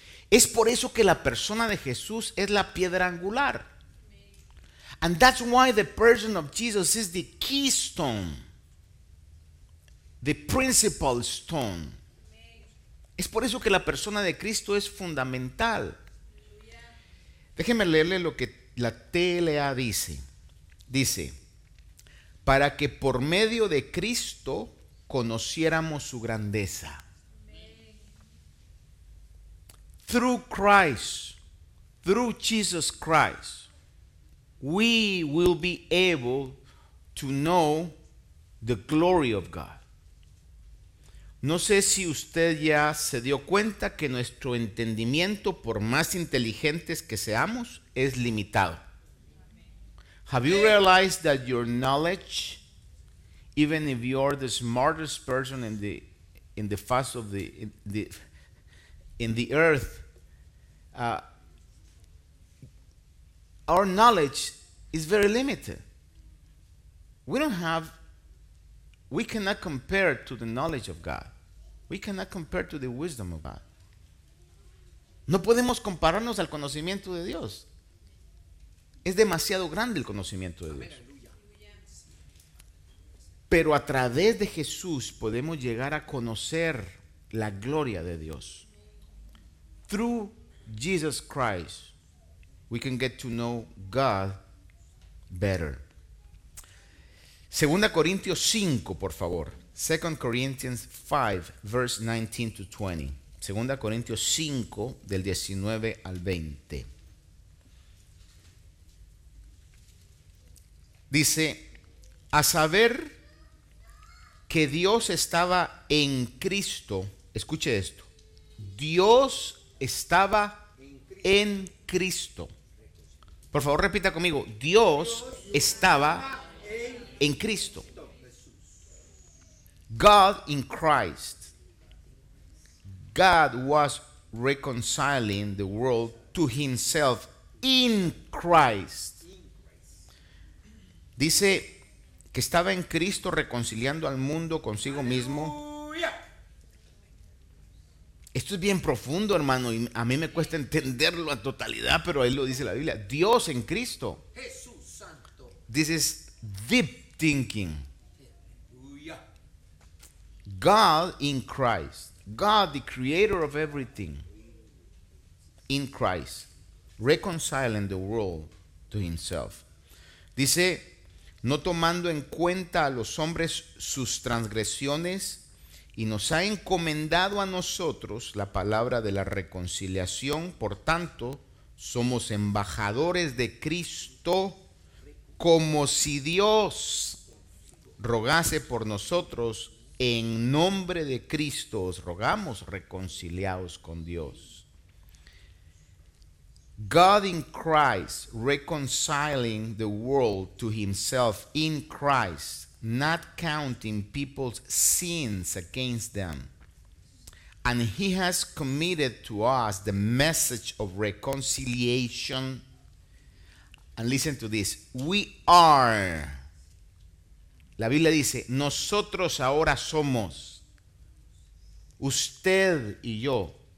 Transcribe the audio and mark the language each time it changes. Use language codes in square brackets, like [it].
[es] Es por eso que la persona de Jesús es la piedra angular. [en] And that's why the person of Jesus is the keystone, the principal stone. [es] Es por eso que la persona de Cristo es fundamental. Déjenme leerle lo que la TLA dice. Dice, para que por medio de Cristo conociéramos su grandeza. [en] Through Christ, through Jesus Christ, we will be able to know the glory of God. [es] No sé si usted ya se dio cuenta que nuestro entendimiento, por más inteligentes que seamos, es limitado. [en] Have you realized that your knowledge, even if you are the smartest person in the face of the earth, our knowledge is very limited. We cannot compare to the knowledge of God. We cannot compare to the wisdom of God. [es] No podemos compararnos al conocimiento de Dios. Es demasiado grande el conocimiento de Dios. Pero a través de Jesús podemos llegar a conocer la gloria de Dios. [en] Through Jesus Christ, we can get to know God better. [es] 2 Corintios 5, por favor. [en] 2 Corinthians 5, verse 19 to 20. [es] 2 Corintios 5, del 19 al 20. Dice, a saber que Dios estaba en Cristo. Escuche esto. Dios estaba en Cristo. Por favor, repita conmigo. Dios estaba en Cristo. [en] God in Christ. God was reconciling the world to himself in Christ. [es] Dice que estaba en Cristo reconciliando al mundo consigo mismo. Esto es bien profundo, hermano, y a mí me cuesta entenderlo a totalidad, pero ahí lo dice la Biblia. Dios en Cristo. Jesús Santo. [en] This is deep thinking. God in Christ. God, the creator of everything, in Christ, reconciling the world to himself. [es] Dice, no tomando en cuenta a los hombres sus transgresiones, y nos ha encomendado a nosotros la palabra de la reconciliación. Por tanto, somos embajadores de Cristo, como si Dios rogase por nosotros. En nombre de Cristo os rogamos, reconciliados con Dios. [en] God in Christ, reconciling the world to himself in Christ, not counting people's sins against them. And he has committed to us the message of reconciliation. And listen to this. We are. [es] La Biblia dice, nosotros ahora somos, usted y yo,